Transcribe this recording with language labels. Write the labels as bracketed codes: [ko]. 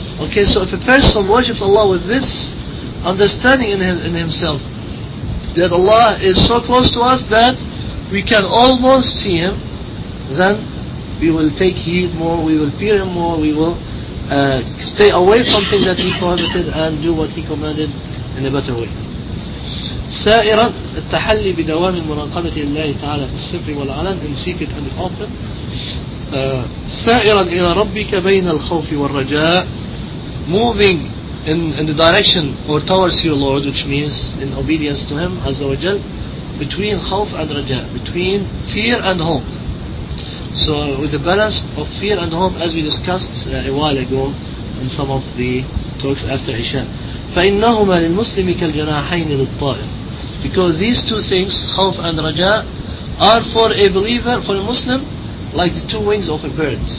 [en] Okay, so if a person worships Allah with this understanding in himself, that Allah is so close to us that we can almost see him, then we will take heed more, we will fear him more, we will stay away from things that he prohibited and do what he commanded in a better way. [ar] سائرا التحلي بدوام المراقبة لله تعالى في السر والعلن, [en] in secret and open. [ar] سائرا إلى ربك بين الخوف والرجاء, [en] moving in the direction or towards your Lord, which means in obedience to him [ar] عز وجل, [en] between خوف and رجاء, between fear and hope. So with the balance of fear and hope, as we discussed a while ago in some of the talks after عشاء, [ar] فإنهما للمسلم كالجناحين للطائر, [en] because these two things, خوف and رجاء, are for a believer, for a Muslim, like the two wings of a bird.